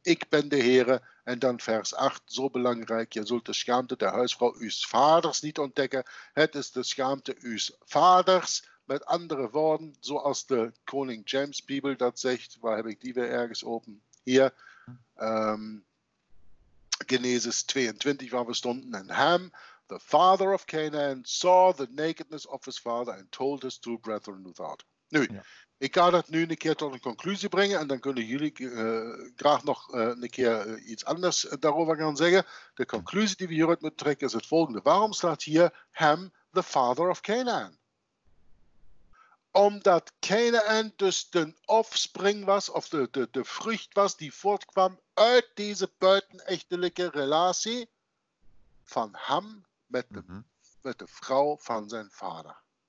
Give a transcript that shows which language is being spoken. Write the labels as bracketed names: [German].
[Dutch] Ik ben de Heere. En dan vers 8, zo belangrijk. Je zult de schaamte der huisvrouw uws vaders niet ontdekken. Het is de schaamte uws vaders. Met andere woorden, zoals de Koning James Bibel dat zegt. Waar heb ik die weer ergens open? Hier. Genesis 22, waar we stonden, en [English] Ham, the father of Canaan, saw the nakedness of his father and told his two brethren who thought. [Dutch] Nu, ja. Ik ga dat nu een keer tot een conclusie brengen en dan kunnen jullie graag nog een keer iets anders daarover gaan zeggen. De conclusie die we hieruit moeten trekken is het volgende. Waarom staat hier Ham, [English] the father of Canaan? [Dutch] Omdat Canaan dus de offspring was, of de vrucht was, die voortkwam uit deze buitenechtelijke relatie van Ham met de vrouw van zijn vader.